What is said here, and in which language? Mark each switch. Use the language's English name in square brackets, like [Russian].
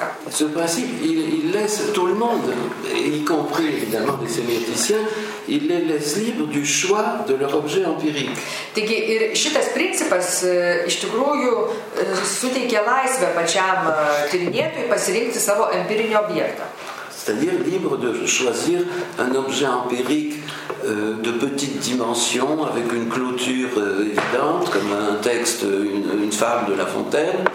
[French] Ce principe, il laisse tout le monde, y compris évidemment les sémioticiens, il les laisse libre du choix de leur objet empirique. [Lithuanian] Taigi, ir šitas principas iš tikrųjų suteikia laisvę pačiam tyrinėtui pasirinkti savo empirinį objektą. [French] C'est-à-dire libre de choisir un objet empirique de petite dimension avec une clôture évidente comme un texte une fable de La Fontaine.